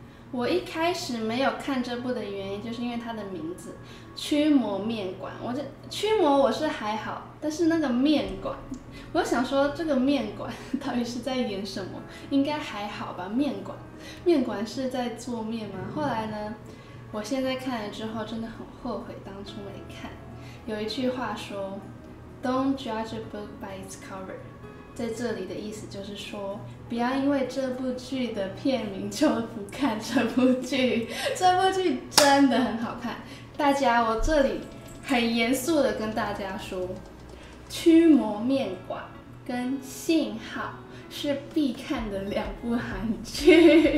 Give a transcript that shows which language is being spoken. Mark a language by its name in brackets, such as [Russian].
[Chinese] 我一开始没有看这部的原因，就是因为它的名字《驱魔面馆》。我这驱魔我是还好，但是那个面馆，我想说这个面馆到底是在演什么？应该还好吧？面馆是在做面吗？后来呢，我现在看了之后，真的很后悔当初没看。有一句话说 ， [English] Don't judge a book by its cover。 [Chinese] 在这里的意思就是说，不要因为这部剧的片名就不看这部剧。这部剧真的很好看，大家，我这里很严肃的跟大家说，《驱魔面馆》跟《信号》是必看的两部韩剧。